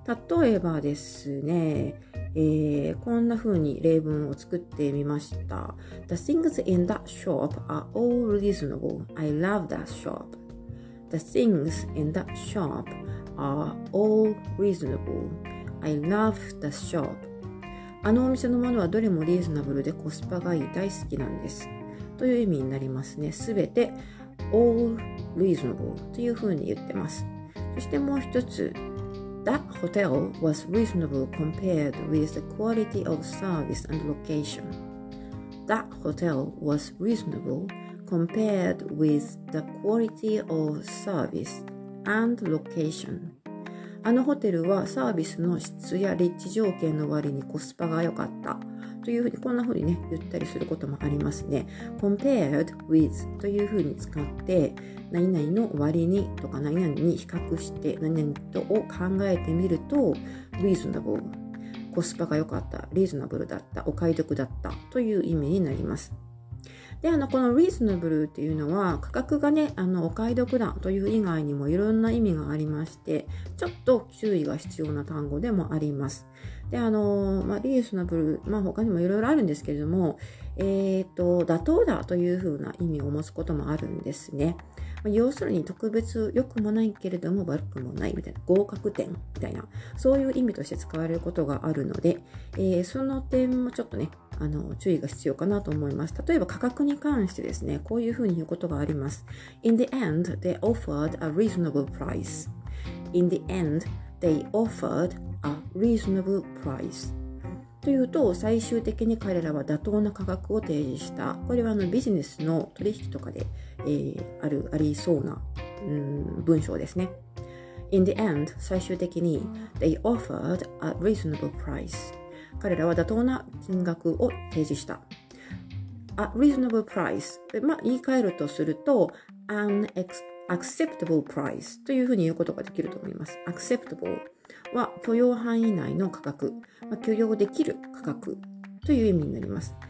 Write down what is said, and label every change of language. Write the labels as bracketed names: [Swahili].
[Japanese] 例えばですね、こんなふうに例文を作ってみました。 [English] The things in that shop are all reasonable. I love that shop. The things in that shop are all reasonable. I love the shop. [Japanese] あのお店のものはどれもリーズナブルでコスパがいい、大好きなんです。という意味になりますね。すべて all reasonable というふうに言ってます。そしてもう一つ、 [English] That hotel was reasonable compared with the quality of service and location. That hotel was reasonable compared with the quality of service and location. [Japanese] あのホテルはサービスの質や立地条件の割にコスパが良かった。というふうにこんなふうにね、言ったりすることもありますね。 compared with というふうに使って、何々の割にとか何々に比較して、何々とを考えてみると、reasonable、コスパが良かった、reasonable だった、お買い得だったという意味になります。で、この reasonable っていうのは、価格がね、お買い得だという以外にもいろんな意味がありまして、ちょっと注意が必要な単語でもあります。で、まあ、リーズナブル、まあ、他にもいろいろあるんですけれども、妥当だというふうな意味を持つこともあるんですね。まあ、要するに特別良くもないけれども悪くもないみたいな、合格点みたいな、そういう意味として使われることがあるので、その点もちょっとね、注意が必要かなと思います。例えば価格に関してですね、こういうふうに言うことがあります。 [English] In the end, they offered a reasonable price. In the end, they offered a reasonable price. [Japanese] というと、最終的に彼らは妥当な価格を提示した。これはビジネスの取引とかで、ありそうな、文章ですね。 [English] In the end, [Japanese] 最終的に [English] they offered a reasonable price. [Japanese] 彼らは妥当な金額を提示した。 A reasonable price、まあ、言い換えるとすると An acceptable price というふうに言うことができると思います。 Acceptable は許容範囲内の価格、まあ、許容できる価格という意味になります。